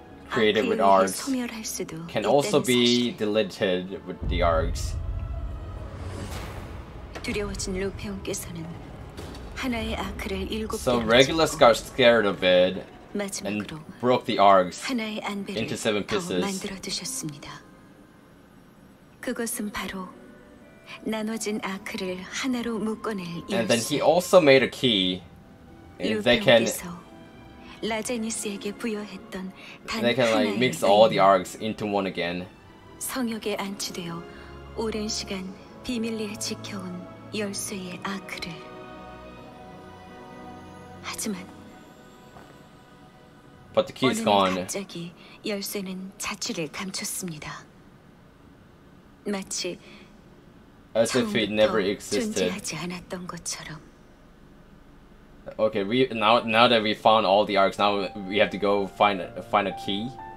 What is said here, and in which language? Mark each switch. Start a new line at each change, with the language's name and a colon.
English: created with ARGs can also be deleted with the ARGs.
Korean: 두려워진 루페온께서는 하나의 아크를 일곱 개.
English: So Regulus got scared of it and broke the ARGs into 7 pieces.
Korean: 만들어 두셨습니다. 그것은 바로 나눠진 아크를 하나로 묶어낼 일.
English: And then he also made a key. They can.
Korean: 라제니스에게 부여했던 단
English: They can like mix all the ARGs into one again.
Korean: 성역에 안치되어 오랜 시간 비밀리에 지켜온. 열쇠의 아크를 하지만
English: But the key is gone.
Korean: 갑자기 열쇠는 자취를 감췄습니다. 마치
English: As if it never existed.
Korean: 존재하지 않았던 것처럼.
English: Okay, now that we found all the arcs, now we have to go find a key.